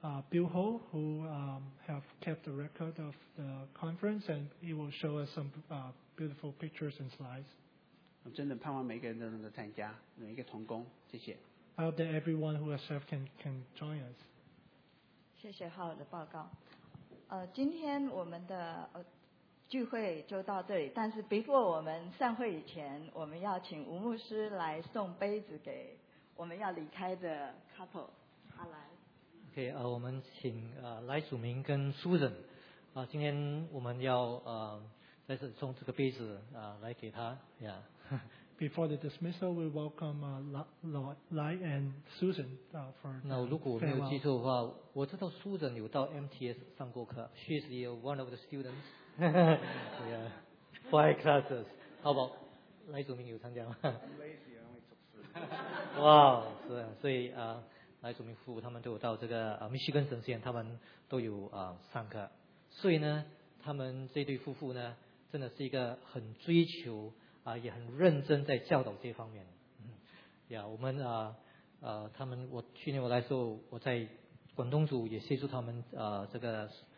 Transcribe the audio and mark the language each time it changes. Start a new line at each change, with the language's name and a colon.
English: Bill Ho, who have kept the record of the conference, and he will show us some beautiful pictures and slides.
Chinese: 我真的盼望每个人都能够参加，每一个同工，谢谢。
English: I hope that everyone who has served can join us.
Chinese: 谢谢浩的报告。今天我们的聚会就到这里，但是 before 我们散会以前，我们要请吴牧师来送杯子给我们要离开的 couple。阿兰，OK， 我们请赖祖明跟 Susan， 今天我们要再次送这个杯子来给他 ，Yeah。
English: Before the dismissal, we welcome Lai and Susan for the
Chinese: farewell. 那如果我没有记错的话，我知道 Susan 有到 MTS 上过课 ，
English: She's one of the students。 yeah, five classes. How about 赖祖明
Chinese: 有参加吗
English: ？I'm lazy, I only took three.
Chinese: Wow, 是，所以赖祖明夫妇他们都有到这个密西根神学院，他们都有上课。所以呢，他们这对夫妇呢，真的是一个很追求也很认真在教导这方面。 Yeah, 我们他们我去年我来的时候，我在广东组也协助他们这个。